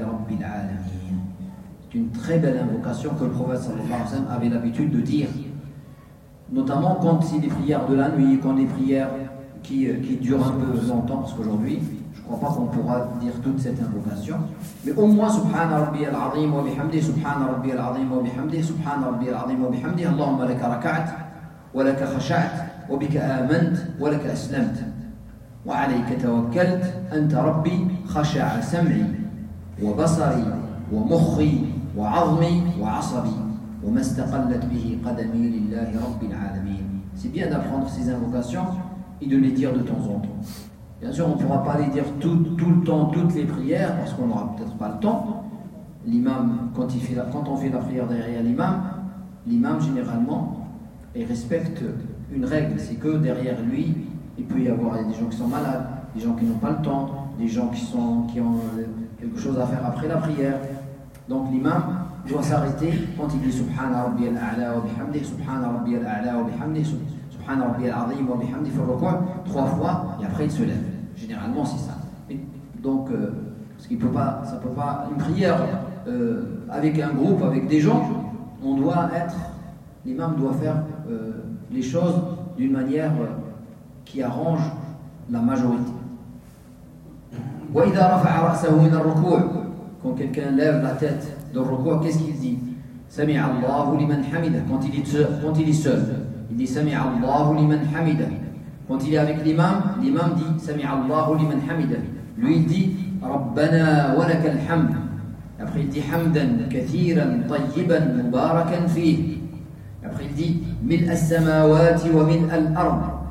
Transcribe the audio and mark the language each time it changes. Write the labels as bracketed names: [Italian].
[French] C'est une très belle invocation que le prophète sallallahu alayhi wa sallam avait l'habitude de dire, notamment quand c'est des prières de la nuit, quand des prières qui durent un peu longtemps, parce qu'aujourd'hui je ne crois pas qu'on pourra dire toute cette invocation, mais au moins [Arabic] Subhana Rabbi al-Azim wa bihamdi, Subhana Rabbi al-Azim wa bihamdi, Subhana Rabbi al-Azim wa bihamdi, Allahumma laka raka'at wa laka khasha'at wa bika amant wa laka aslamt. وعليك توكلت أنت ربي خشع سمعي وبصري ومخي وعظمي وعصبي وما استقلت به قدمي لله رب العالمين. [French] C'est bien d'apprendre ces invocations et de les dire de temps en temps. Bien sûr, on ne pourra pas les dire tout le temps, toutes les prières, parce qu'on n'aura peut-être pas le temps. L'imam, quand on fait la prière derrière l'imam généralement, il respecte une règle, c'est que derrière lui, il peut y avoir des gens qui sont malades, des gens qui n'ont pas le temps, des gens qui ont quelque chose à faire après la prière. Donc l'imam doit s'arrêter quand il dit [Arabic] Subhana Rabbi al-A'la wa bihamdi, [French] Subhana Rabbi al-A'la wa bihamdi, Subhana Rabbi al-Azim wa bihamdi, fa rukou 3 fois et après il se lève. Généralement c'est ça. Et donc, parce qu'il peut pas, ça peut pas. Une prière avec un groupe, avec des gens, on doit être. L'imam doit faire les choses d'une manière. Qui arrange la majorité. [Arabic] وإذا رفع رأسه من الركوع [French] quand quelqu'un lève la tête dans le recours, qu'est-ce qu'il dit [Arabic] سمع الله لمن حمده [French] quand il est seul il dit سمع الله لمن حمده quand il est avec l'imam dit سمع الله لمن حمده lui il dit [Arabic] ربنا ولك الحمد [French] après il dit [Arabic] حمدا كثيرا طيبا مباركا فيه [French] après il dit [Arabic] ملء السماوات ومن الأرض